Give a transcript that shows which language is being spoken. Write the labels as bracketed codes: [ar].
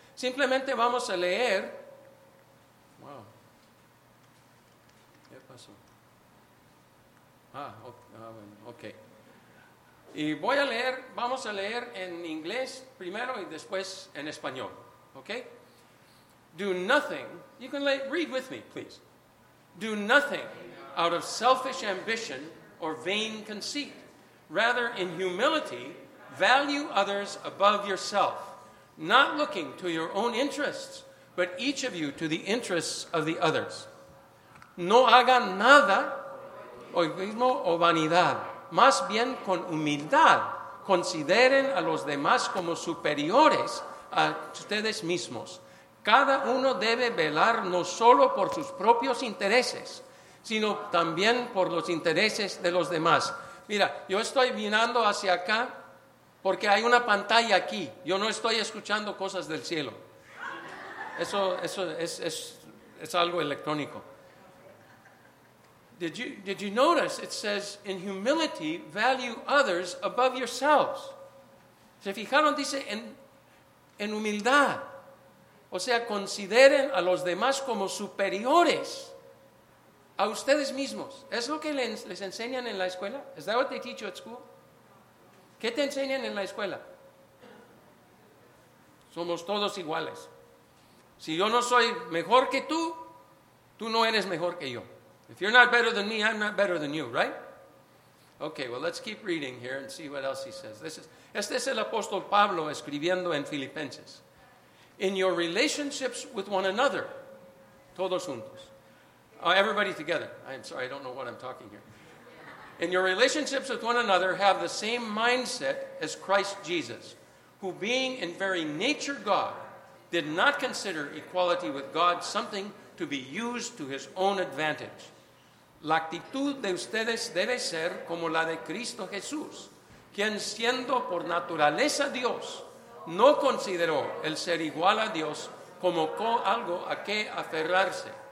[es] Simplemente vamos a leer. [en] Ah, okay. [es] Y voy a leer, vamos a leer en inglés primero y después en español. [en] Okay? Do nothing, you can read with me, please. Do nothing out of selfish ambition or vain conceit. Rather, in humility, value others above yourself, not looking to your own interests, but each of you to the interests of the others. [es] No hagan nada, egoísmo o vanidad. Más bien, con humildad, consideren a los demás como superiores a ustedes mismos. Cada uno debe velar no solo por sus propios intereses, sino también por los intereses de los demás. Mira, yo estoy mirando hacia acá porque hay una pantalla aquí. Yo no estoy escuchando cosas del cielo. Eso es algo electrónico. [en] Did you notice it says, in humility, value others above yourselves. [es] ¿Se fijaron? Dice, en humildad. O sea, consideren a los demás como superiores a ustedes mismos. ¿Es lo que les enseñan en la escuela? [en] ¿Es that what they teach you at school? [es] ¿Qué te enseñan en la escuela? Somos todos iguales. Si yo no soy mejor que tú, tú no eres mejor que yo. [en] If you're not better than me, I'm not better than you, right? Okay, well, let's keep reading here and see what else he says. [es] Este es el apóstol Pablo escribiendo en Filipenses. [en] In your relationships with one another, [es] todos juntos. [en] Everybody together. I'm sorry, I don't know what I'm talking here. In your relationships with one another, have the same mindset as Christ Jesus, who being in very nature God, did not consider equality with God something to be used to his own advantage. [es] La actitud de ustedes debe ser como la de Cristo Jesús, quien siendo por naturaleza Dios, no consideró el ser igual a Dios como algo a que aferrarse.